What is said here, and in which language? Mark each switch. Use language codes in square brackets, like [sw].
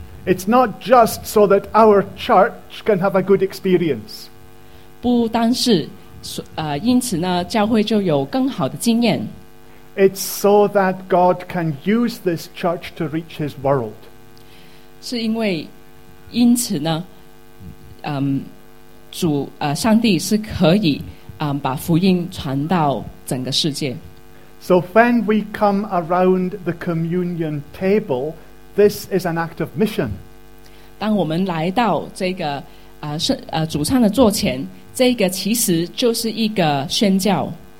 [en] It's not just so that our church can have a good experience. [zh] 不单是因此呢，教会就有更好的经验。 [en] It's so that God can use this church to reach His world. [zh] 是因为因此呢，主上帝是可以把福音传到整个世界。 [en] So when we come around the communion table, this is an act of mission. [zh] 当我们来到这个主餐的座前，这个其实就是一个宣教。